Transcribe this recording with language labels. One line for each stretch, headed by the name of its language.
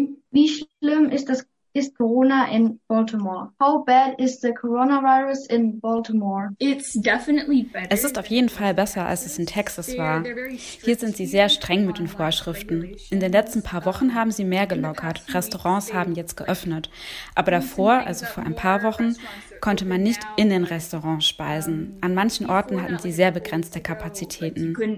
German: Wie schlimm ist Corona in Baltimore?
English: How bad is the coronavirus in Baltimore? It's definitely better.
German: Es ist auf jeden Fall besser, als es in Texas war. Hier sind sie sehr streng mit den Vorschriften. In den letzten paar Wochen haben sie mehr gelockert. Restaurants haben jetzt geöffnet. Aber davor, also vor ein paar Wochen, konnte man nicht in den Restaurants speisen. An manchen Orten hatten sie sehr begrenzte Kapazitäten.